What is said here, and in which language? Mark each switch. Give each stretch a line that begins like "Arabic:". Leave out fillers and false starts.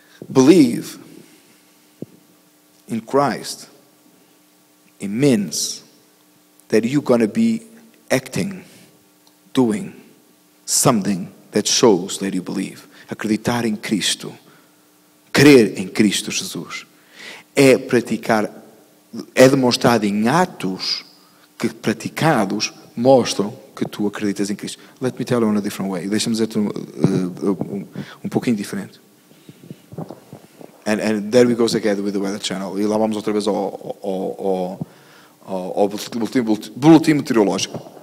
English: Believe in Christ, it means that you're going to be acting, doing something that shows that you believe.
Portuguese: Acreditar em Cristo, crer em Cristo Jesus, é praticar, é demonstrado em atos que praticados mostram que tu acreditas em Cristo.
English: Let me tell you in a different way.
Portuguese: Deixa-me dizer-te um pouquinho diferente.
English: And there we go again with the Weather Channel.
Portuguese: E lá vamos outra vez ao boletim meteorológico.